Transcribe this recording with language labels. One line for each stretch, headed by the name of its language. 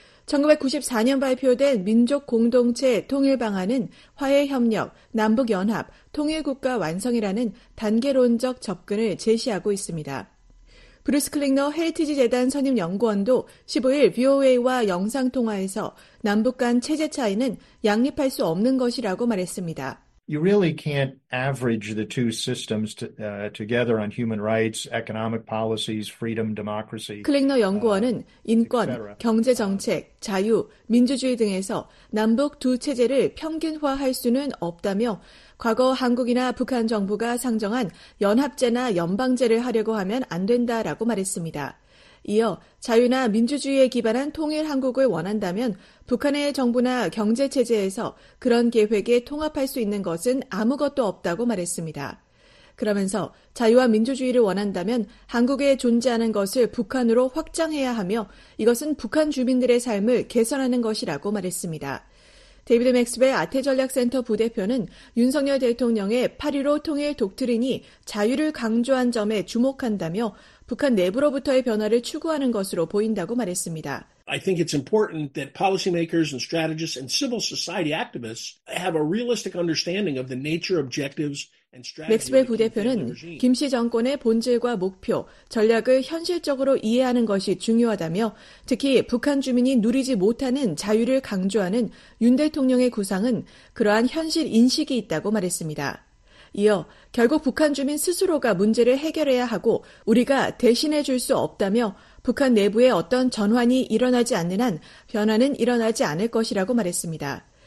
Korean: 1994년 발표된 민족 공동체 통일 방안은 화해협력, 남북연합, 통일국가 완성이라는 단계론적 접근을 제시하고 있습니다. 브루스 클링너 헤리티지 재단 선임 연구원도 15일 VOA와 영상통화에서 남북 간 체제 차이는 양립할 수 없는 것이라고 말했습니다.
English: You really can't average the two systems together on human rights, economic policies, freedom, democracy.
Korean: 클링너 연구원은 인권, 경제정책, 자유, 민주주의 등에서 남북 두 체제를 평균화할 수는 없다며 과거 한국이나 북한 정부가 상정한 연합제나 연방제를 하려고 하면 안 된다라고 말했습니다. 이어 자유나 민주주의에 기반한 통일 한국을 원한다면 북한의 정부나 경제체제에서 그런 계획에 통합할 수 있는 것은 아무것도 없다고 말했습니다. 그러면서 자유와 민주주의를 원한다면 한국에 존재하는 것을 북한으로 확장해야 하며 이것은 북한 주민들의 삶을 개선하는 것이라고 말했습니다. 데이비드 맥스벨 아태전략센터 부대표는 윤석열 대통령의 8.15 통일 독트린이 자유를 강조한 점에 주목한다며 북한 내부로부터의 변화를 추구하는 것으로 보인다고 말했습니다.
English: I think it's important that policymakers and strategists and civil society activists have a realistic understanding of the nature objectives and strategies.
Korean: 맥스벨 부대표는 김씨 정권의 본질과 목표, 전략을 현실적으로 이해하는 것이 중요하다며 특히 북한 주민이 누리지 못하는 자유를 강조하는 윤 대통령의 구상은 그러한 현실 인식이 있다고 말했습니다. 이어 결국 북한 주민 스스로가 문제를 해결해야 하고 우리가 대신해 줄 수 없다며 북한 내부에 어떤 전환이 일어나지 않는 한 변화는 일어나지 않을 것이라고 말했습니다.